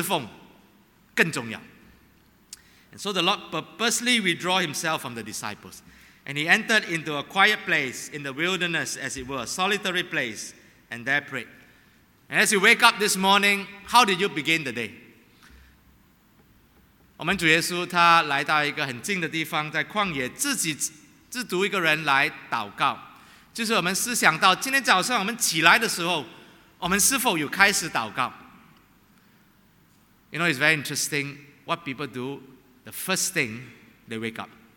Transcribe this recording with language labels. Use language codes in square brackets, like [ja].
[zh] 耶稣与天父祷告、交通、比侍奉更重要。 [en] And so the Lord purposely withdrew Himself from the disciples, and He entered into a quiet place in the wilderness, as it were, a solitary place, and there prayed. And as you wake up this morning, how did you begin the day? [zh] 我们主耶稣他来到一个很近的地方，在旷野自己自独一个人来祷告。就是我们思想到今天早上我们起来的时候，我们是否有开始祷告？ [en] You know, it's very interesting what people do the first thing they wake up.